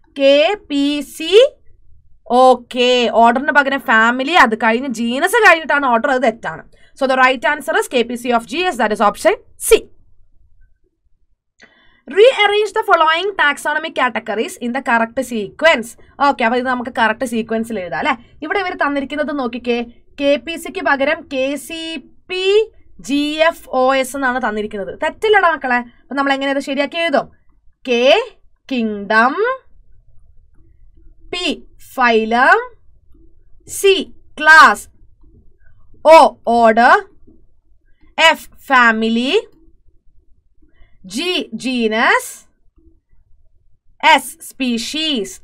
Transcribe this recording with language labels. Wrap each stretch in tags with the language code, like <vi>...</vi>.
<ml>KPC okay, ഓർഡറിന് പകരം family, അത് കഴിഞ്ഞ് ജീനസ് കഴിഞ്ഞിട്ടാണ് ഓർഡർ, അത് തെറ്റാണ്.</ml> <en>So the right answer is KPC of GS, that is option C. Rearrange the following taxonomic categories in the correct sequence.</en> <ml>Okay, അപ്പോൾ ഇത് നമുക്ക് കറക്റ്റ് സീക്വൻസിൽ എഴുതാം അല്ലേ. ഇവിടെ ഇവർ തന്നിരിക്കുന്നത് നോക്കിക്കേ, KPC ക്ക് പകരം KCP GFOS എന്നാണ് തന്നിരിക്കുന്നത്. തെറ്റില്ലടാ മക്കളെ. അപ്പം നമ്മൾ എങ്ങനെ അത് ശരിയാക്കി എഴുതും? K kingdom, P phylum, C class, O order, F family, G genus, S species.</ml>